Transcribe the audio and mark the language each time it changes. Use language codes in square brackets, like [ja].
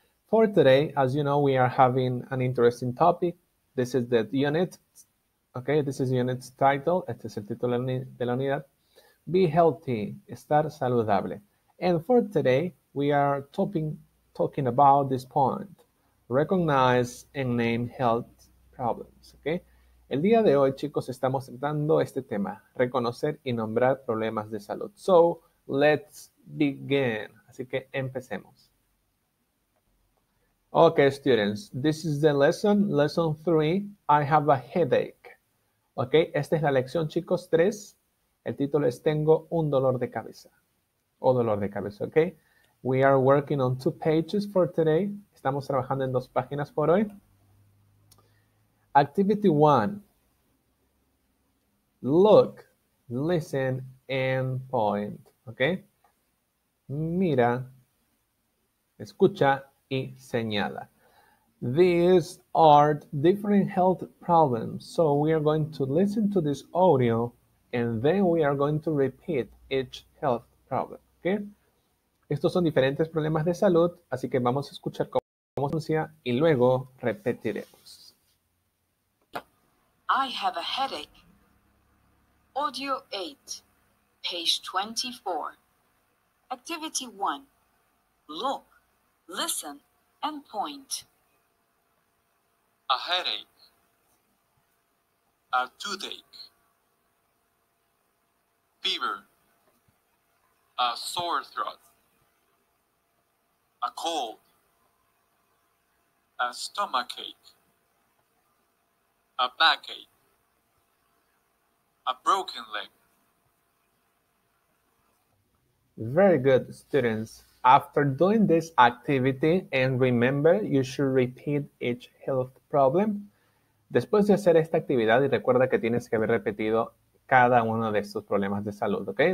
[en] For today, as you know, we are having an interesting topic. This is the unit. Okay, this is the unit's title. [es] Este es el título de la unidad. [en] Be healthy, [es] estar saludable. [en] And for today, we are talking about this point. Recognize and name health problems, okay? [es] El día de hoy, chicos, estamos tratando este tema, reconocer y nombrar problemas de salud. [en] So, let's begin. [es] Así que empecemos. [en] Okay, students, this is the lesson, lesson 3, I have a headache. [es] Okay, esta es la lección, chicos, 3. El título es Tengo un dolor de cabeza. O dolor de cabeza, [en] okay? We are working on 2 pages for today. [es] Estamos trabajando en 2 páginas por hoy. [en] Activity 1. Look, listen, and point. Okay? [es] Mira, escucha y señala. [en] These are different health problems. So we are going to listen to this audio and then we are going to repeat each health problem. Okay? [es] Estos son diferentes problemas de salud, así que vamos a escuchar cómo funciona y luego repetiremos. [en] I have a headache. Audio 8, page 24. Activity 1. Look, listen, and point. A headache. A toothache. Fever. A sore throat. A cold. A stomachache. A backache. A broken leg. Very good, students. After doing this activity, and remember, you should repeat each health problem. [es] Después de hacer esta actividad, y recuerda que tienes que haber repetido cada uno de estos problemas de salud, okay?